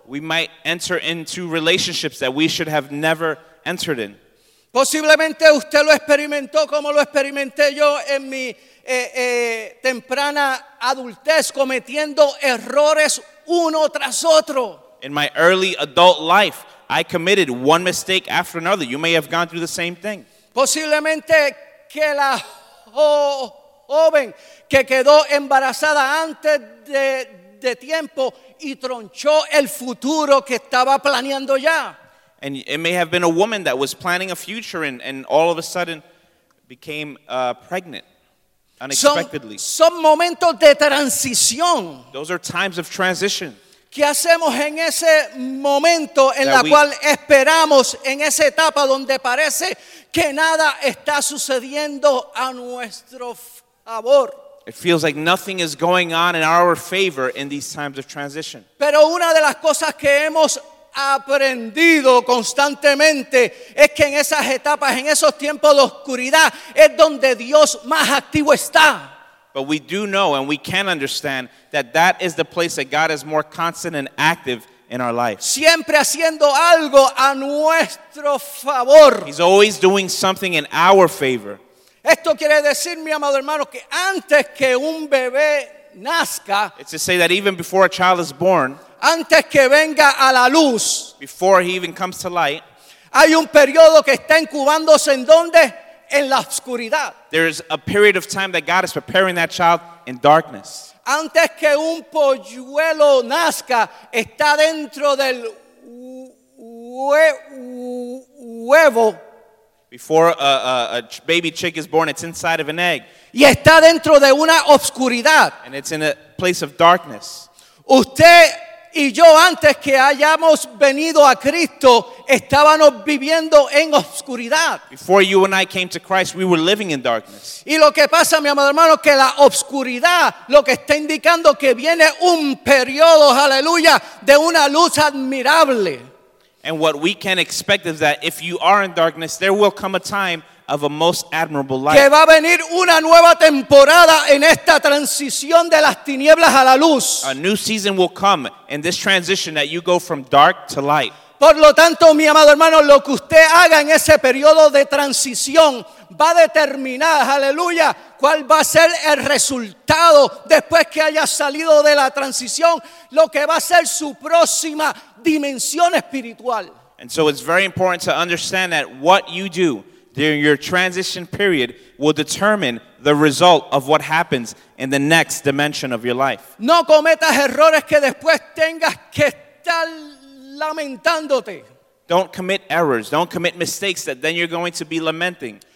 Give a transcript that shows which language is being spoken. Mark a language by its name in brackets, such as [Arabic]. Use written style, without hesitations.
[English] We might enter into relationships that we should have never entered in. [Spanish] Posiblemente usted lo experimentó como lo experimenté yo en mi temprana adultez, cometiendo errores uno tras otro. [English] In my early adult life, I committed one mistake after another. You may have gone through the same thing. [Spanish] Posiblemente que la joven que quedó embarazada antes de tiempo y tronchó el futuro que estaba planeando ya. [English] And it may have been a woman that was planning a future and all of a sudden became pregnant unexpectedly. [Spanish] Son momentos de transición. [English] Those are times of transition. [Spanish] ¿Qué hacemos en ese momento en la cual esperamos en esa etapa donde parece que nada está sucediendo a nuestro favor? [English] It feels like nothing is going on in our favor in these times of transition. [Spanish] Pero una de las cosas que hemos aprendido constantemente es que en esas etapas, en esos tiempos de oscuridad, es donde Dios más activo está. [English] But we do know and we can understand that that is the place that God is more constant and active in our life. [Spanish] Siempre haciendo algo a nuestro favor. [English] He's always doing something in our favor. [Spanish] Esto quiere decir, mi amado hermano, que antes que un bebé nazca, [English] it's to say that even before a child is born, [Spanish] antes que venga a la luz, [English] before he even comes to light, [Spanish] hay un periodo que está incubándose en donde? En la oscuridad. [English] There is a period of time that God is preparing that child in darkness. [Spanish] Antes que un polluelo nazca, está dentro del huevo. [English] Before a baby chick is born, it's inside of an egg. [Spanish] Y está dentro de una oscuridad. [English] And it's in a place of darkness. [Spanish] Usted y yo, antes que hayamos venido a Cristo, estábamos viviendo en oscuridad. [English] Before you and I came to Christ, we were living in darkness. [Spanish] Y lo que pasa, mi amado hermano, que la oscuridad, lo que está indicando que viene un periodo, aleluya, de una luz admirable. [English] And what we can expect is that if you are in darkness, there will come a time of a most admirable light. [Spanish] Que va a venir una nueva temporada en esta transición de las tinieblas a la luz. [English] A new season will come in this transition that you go from dark to light. [Spanish] Por lo tanto, mi amado hermano, lo que usted haga en ese periodo de transición va a determinar, aleluya, cuál va a ser el resultado después que haya salido de la transición, lo que va a ser su próxima dimensión espiritual. [English] And so it's very important to understand that what you do during your transition period will determine the result of what happens in the next dimension of your life. [Spanish] No cometas errores que después tengas que estar lamentándote. [English] Don't commit errors. Don't commit mistakes that then you're going to be lamenting.